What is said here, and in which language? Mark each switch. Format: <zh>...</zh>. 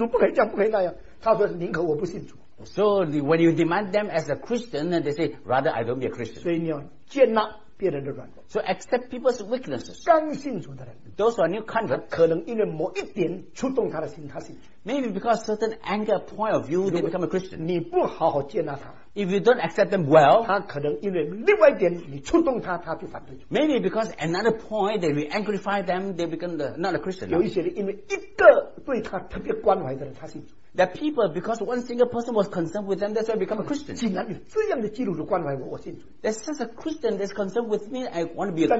<zh>马上你用对基督徒严格的要求对待他，你为什么信主这样，这样，这样，这样，这样，你信主不可以这样，不可以那样。他说宁可我不信主。</zh> <en>So when you demand them as a Christian, they say, rather I don't be a Christian.</en> <zh>所以你要接纳别人的软弱。</zh> <en>So accept people's weaknesses.</en> <zh>刚信主的人，</zh> <en>those who are new converts,</en> <zh>可能因为某一点触动他的心，他信主。</zh> <en>Maybe because certain anger point of view, they become a Christian.</en> <zh>你不好好接纳他，</zh> <en>if you don't accept them well,</en> <zh>他可能因为另外一点你触动他，他就反对主。</zh> <en>Maybe because another point that we angrify them, they become not a Christian.</en> <zh>有一些人因为一个对他特别关怀的人，他信主。</zh> <en>That people, because one single person was concerned with them, that's why they become a Christian.</en> <zh>既然有这样的基督徒关怀我，我信主。</zh> <en>There's such a Christian that's concerned with me, I want to be a Christian.</en>